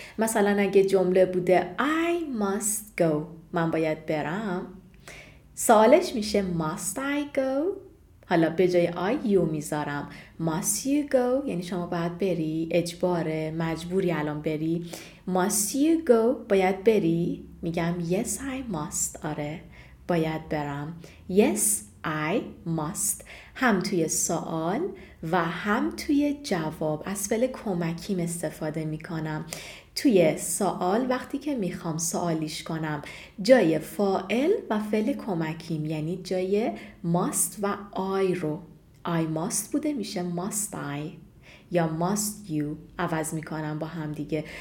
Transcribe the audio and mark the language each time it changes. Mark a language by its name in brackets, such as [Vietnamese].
[Persian] مثلا اگه جمله بوده [English] I must go، [Persian] من باید برم، سوالش میشه [English] must I go؟ [Persian] حالا به جای I you میذارم [English] must you go، [Persian] یعنی شما باید بری، اجباره، مجبوری الان بری. [English] must you go، [Persian] باید بری. میگم [English] yes I must، [Persian] آره باید برم. [English] yes I must [Persian] هم توی سوال و هم توی جواب از فعل کمکیم استفاده میکنم. توی سوال وقتی که میخوام سوالیش کنم جای فاعل و فعل کمکیم یعنی جای must و I رو، I must بوده میشه [English] must I [Persian] یا [English] must you، [Persian] عوض میکنم با هم دیگه.